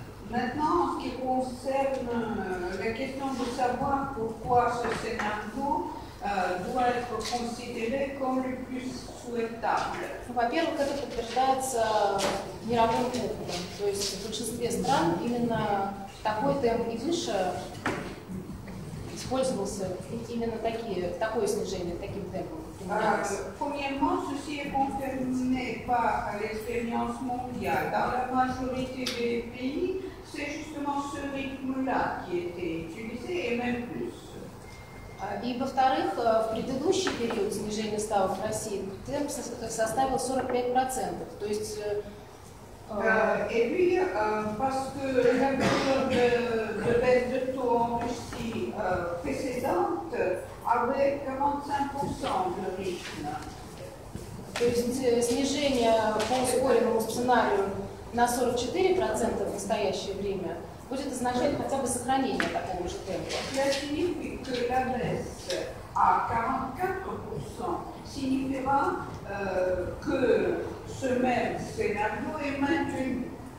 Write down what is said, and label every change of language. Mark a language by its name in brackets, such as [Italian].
[French] Maintenant, en ce qui concerne la question de savoir pourquoi ce scénario doit être considéré comme le plus souhaitable. [Russian] Во-первых, это подтверждается мировым опытом. То есть в большинстве стран именно такой темп и выше использовался, именно такие, такое снижение, таким темпом. [French] Premièrement, ceci est confirmé par l'expérience mondiale. Dans la majorité des pays, c'est justement ce rythme-là qui était utilisé et même plus. [Russian] И, во-вторых, в предыдущий период снижения ставок в России темп составил 45%. То есть... [French] Et puis, parce que la période de baisse de taux en Russie précédente avait 45% de rythme. [Russian] То есть снижение по ускоренному сценарию на 44% в настоящее время будет означать хотя бы сохранение такого же темпа. Для синих икрогресс, а 44% синифера к семен сценарио и мэнджин.